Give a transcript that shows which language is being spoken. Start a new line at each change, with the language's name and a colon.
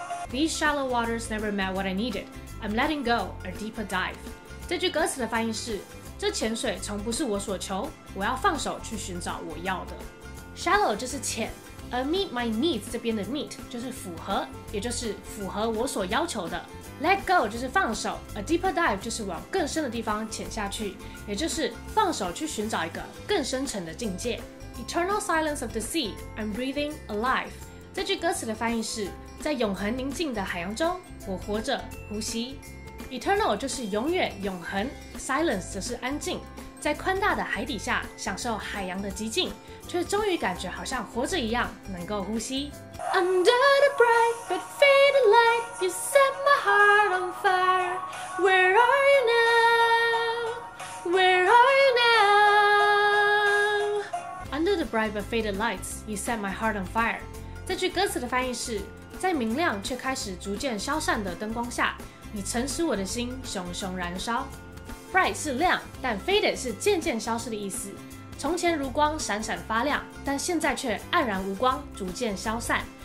English: These shallow waters never met what I needed. I'm letting go a deeper dive.
Chinese: 这句歌词的翻译是：这浅水从不是我所求，我要放手去寻找我要的。 Shallow 就是浅，而
English: meet my needs
Chinese: 这边的 meet 就是符合，也就是符合我所要求的。 Let go 就是放手，
English: A deeper dive
Chinese: 就是往更深的地方潜下去，也就是放手去寻找一个更深层的境界。
English: Eternal silence of the sea, I'm breathing alive.
Chinese: 这句歌词的翻译是：在永恒宁静的海洋中，我活着呼吸。 Eternal 就是永远永恒， Silence 则是安静。在宽大的海底下享受海洋的寂静，却终于感觉好像活着一样能够呼吸。
English: Under the bright but faded light, you set my heart on fire. Where are you now? Where are you now? Under the bright but faded lights, you set my heart on fire.
Chinese: 这句歌词的翻译是：在明亮却开始逐渐消散的灯光下，你曾使我的心熊熊燃烧。 Bright 是亮，但 faded 是渐渐消失的意思。从前如光闪闪发亮，但现在却黯然无光，逐渐消散。